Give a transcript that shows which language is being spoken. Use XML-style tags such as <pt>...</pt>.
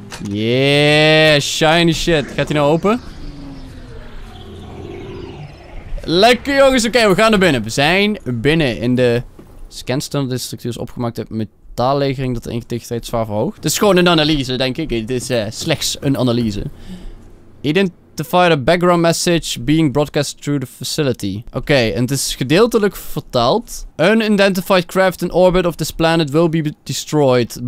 <en>Yeah, shiny shit.</en> <nl>Gaat hij nou open? Lekker jongens, oké, we gaan naar binnen. We zijn binnen in de scanstone. Dit structuur is opgemaakt met metaallegering dat de integriteit zwaar verhoogt. Het is gewoon een analyse, denk ik. Het is slechts een analyse. Identiteit.</nl> <en>rectify the background message being broadcast through the facility.</en> <nl>Oké, en het is gedeeltelijk vertaald.</nl> <en>Unidentified craft in orbit of this planet will be destroyed.</en>